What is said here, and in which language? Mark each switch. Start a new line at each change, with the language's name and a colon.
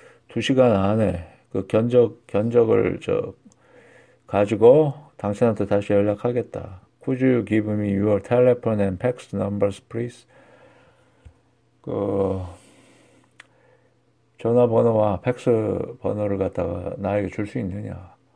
Korean: 2시간 안에 그 견적을 저 가지고 당신한테 다시 연락하겠다.
English: Could you give me your telephone and fax numbers, please?
Korean: 그 전화번호와 팩스 번호를 갖다가 나에게 줄 수 있느냐?